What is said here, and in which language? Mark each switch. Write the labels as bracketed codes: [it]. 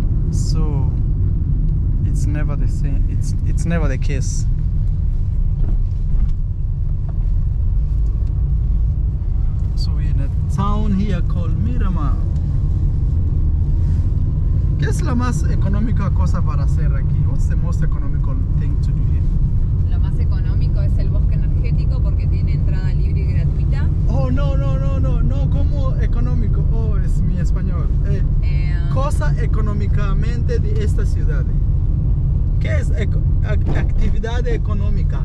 [en] So it's never the same. It's never the case. So we're in a town here called Miramar. [es] ¿Qué es lo más económica cosa para hacer aquí? [en] What's the most economical thing to do here? [es] Lo más económico es el bosque energético porque tiene entrada libre y gratuita. Oh, no, ¿cómo económico? Oh, es mi español. Cosa económicamente de esta ciudad. ¿Qué es actividad económica?